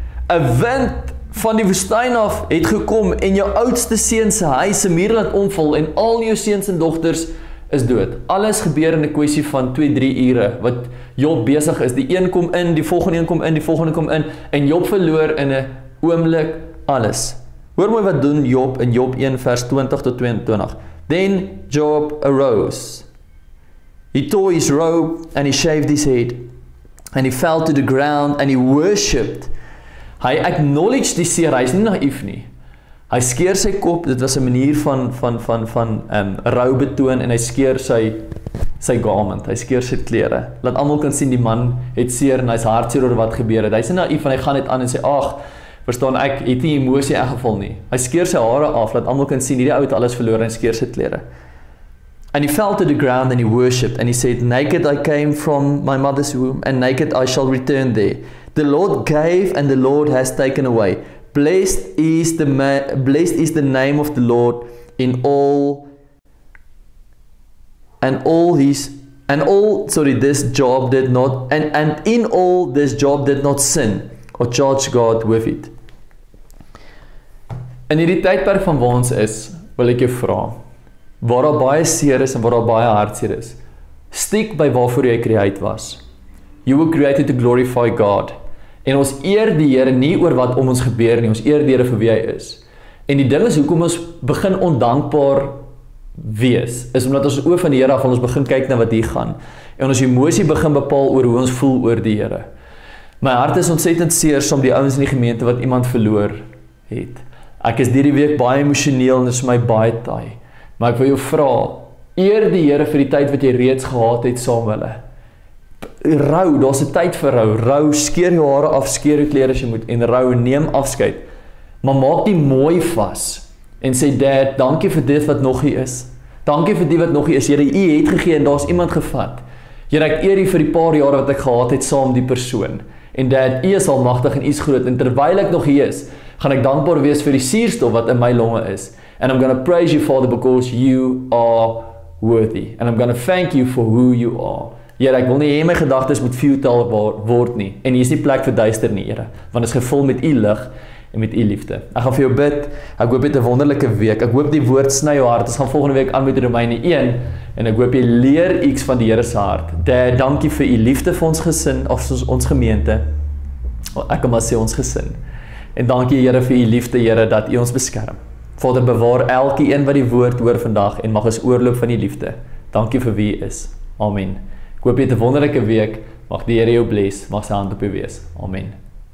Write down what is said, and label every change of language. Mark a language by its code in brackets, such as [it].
[af] 'n wind van die woestyn af het gekom en jou oudste seun se huis se muur laat omval en al jou seuns en dogters is dood. Alles gebeur in 'n kwessie van 2-3 ure wat Job besig is. Die een kom in, die volgende een kom in, die volgende kom in en Job verloor in 'n oomblik alles. Hoor mooi wat doen Job in Job 1 vers 20 tot 22. [en] Then Job arose. He tore his robe and he shaved his head. And he fell to the ground and he worshipped. [af] Hy acknowledged die seer, hy is nie naïef nie. Hy skeer sy kop, dit was 'n manier van rou betoon en hy skeer sy garment, hy skeer sy klere. Laat almal kan sien die man het seer en hy is hartseer oor wat gebeur het. Hy is nie naïef en hy gaan net aan en sê, ag, verstaan ek, het nie emosie in geval nie. Hy skeer sy hare af, laat almal kan sien, hierdie ou het alles verloor en skeer sy klere. [en] And he fell to the ground and he worshipped and he said, naked I came from my mother's womb and naked I shall return there. The Lord gave and the Lord has taken away. Blessed is the name of the Lord in all and all his and all, sorry, this Job did not and in all this Job did not sin or charge God with it. [af] In hierdie tydperk van waar ons is, wil ek jou vra, waar daar baie seer is en waar daar baie hartseer is, stiek by waarvoor jy create was. [en] You were created to glorify God. [af] En ons eer die Here nie oor wat om ons gebeur nie, ons eer die Here vir wie hy is. En die ding is hoekom ons begin ondankbaar wees, is omdat ons oor van die Here af ons begin kyk na wat hier gaan. En ons emosie begin bepaal oor hoe ons voel oor die Here. My hart is ontsettend seer som die ouens in die gemeente wat iemand verloor het. Ek is hierdie week baie emosioneel en dit is my baie taai. Maar ek wil jou vra, eer die Here vir die tyd wat jy reeds gehad het saam hulle. Rou, daar's 'n tyd vir rou. Rou, skeer jou hare af, skeer jou klere as jy moet en rou, neem afskeid. Maar maak dit mooi vas en sê Dad, dankie vir dit wat nog hier is. Dankie vir die wat nog hier is. Here, U het gegee en daar's iemand gevat. Here, ek eer U vir die paar jare wat ek gehad het saam die persoon. En Dad, U is almagtig en U is groot en terwyl ek nog hier is, gaan ek dankbaar wees vir die suurstof wat in my longe is. [en] And I'm going to praise you, Father, because you are worthy. And I'm going to thank you for who you are. [af] Here, ek wil nie hê my gedagtes moet futile word nie. En hier is die plek vir duister nie, Here. Want is gevul met U lig en met U liefde. Ek gaan vir jou bid. Ek hoop jy het 'n wonderlike week. Ek hoop die woord sny jou hart. Ons gaan volgende week aan met Romeine 1. En ek hoop jy leer iets van die Here se hart. Dankie vir U liefde vir ons gesin, of ons gemeente. Ek kan maar sê ons gesin. En dankie Here vir u liefde, Here, dat u ons beskerm. Vader, bewaar elke een wat die woord hoor vandag en mag ons oorloop van die liefde. Dankie vir wie u is. Amen. Ek hoop jy het 'n wonderlike week. Mag die Here jou bless. Mag sy hand op jou wees. Amen.